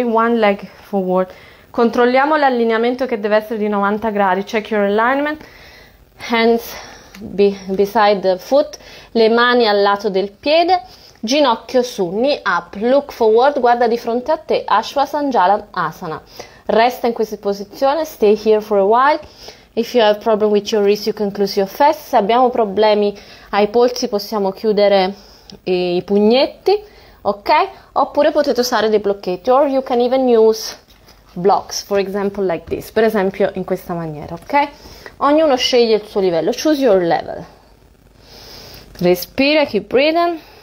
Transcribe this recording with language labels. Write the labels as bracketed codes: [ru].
[en] One leg forward. [it] Controlliamo l'allineamento che deve essere di 90 gradi. [en] Check your alignment. Hands beside the foot, [it] le mani al lato del piede, ginocchio su, [en] knee up, look forward, [it] guarda di fronte a te, Ashvasanjalan Asana. Resta in questa posizione, [en] stay here for a while. If you have problem with your wrist, you can close your fists. [it] Se abbiamo problemi ai polsi, possiamo chiudere i pugnetti, ok? Oppure potete usare dei blocchetti, [en] or you can even use blocks, for example, like this, [it] per esempio in questa maniera, ok? Ognuno sceglie il suo livello, [en] choose your level. [it] Respira, [en] keep breathing.